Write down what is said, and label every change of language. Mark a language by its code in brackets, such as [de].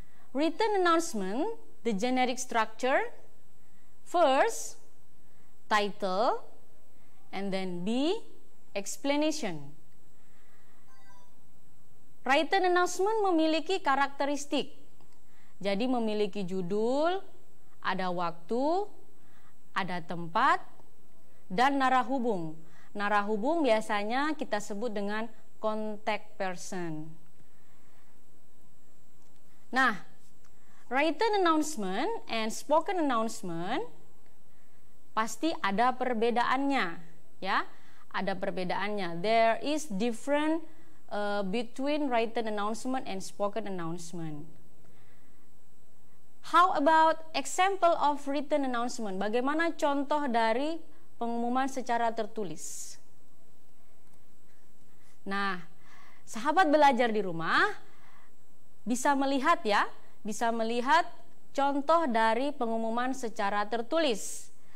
[en] Written announcement, the generic structure, first, title, and then B, explanation. [id] Written announcement memiliki karakteristik, jadi memiliki judul, ada waktu, ada tempat, dan narahubung. Narahubung biasanya kita sebut dengan contact person. Nah, [en] written announcement and spoken announcement [id] pasti ada perbedaannya, ya. Ada perbedaannya. [en] There is different between written announcement and spoken announcement. How about example of written announcement? [id] Bagaimana contoh dari pengumuman secara tertulis? Nah, sahabat belajar di rumah bisa melihat ya, bisa melihat contoh dari pengumuman secara tertulis.